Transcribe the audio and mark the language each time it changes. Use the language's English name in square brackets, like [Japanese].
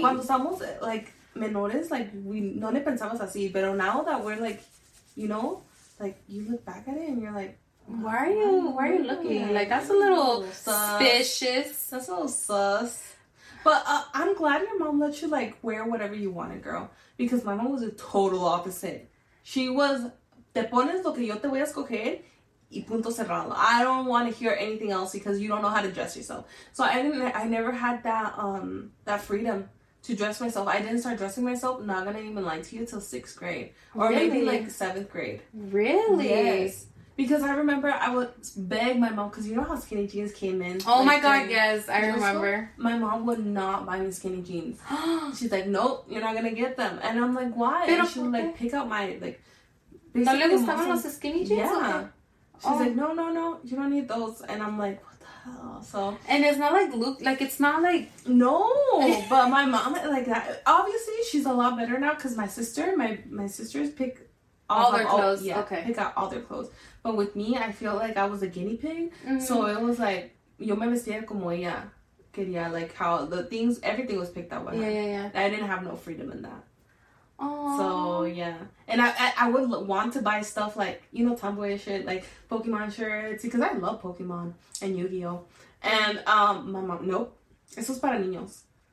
[Spanish] Cuando somos, [English] like, [Spanish] menores, [English] like, we [Spanish] no le pensamos así, pero [English] now that we're, like, you know, like, you look back at it and you're like, Why are you looking? Like, that's a little suspicious. That's a little sus. But I'm glad your mom let you, like, wear whatever you wanted, girl. Because my mom was the total opposite. She was, [Spanish] te pones lo que yo te voy a escoger y punto cerrado. [English] I don't want to hear anything else because you don't know how to dress yourself. So I never had that that freedom to dress myself. I didn't start dressing myself, not going to even lie to you, till 6th grade. Or maybe, like, 7th grade. Really? Yes. Because I remember I would beg my mom, because you know how skinny jeans came in? Oh, like, my God, yes, I remember. School, my mom would not buy me skinny jeans. She's like, nope, you're not going to get them. And I'm like, why? And she would, like, pick out my, like... [Spanish] ¿No le gustaban los skinny jeans? [English] Yeah. She's like, no, you don't need those. And I'm like, what the hell? So. And it's not like, look, like, it's not like... No, but my mom, like, obviously, she's a lot better now, because my sister, my sisters pick... All their clothes, okay. Pick out all their clothes. But with me, I feel like I was a guinea pig. Mm-hmm. So it was like, [Spanish] yo me vestía como ella quería. [English] Like, how the things, everything was picked out by her. Yeah. I didn't have no freedom in that. Oh. So, yeah. And I would want to buy stuff like, you know, tomboy shit. Like, Pokemon shirts. Because I love Pokemon and Yu-Gi-Oh. And my mom, nope. [Spanish] Eso es para niños.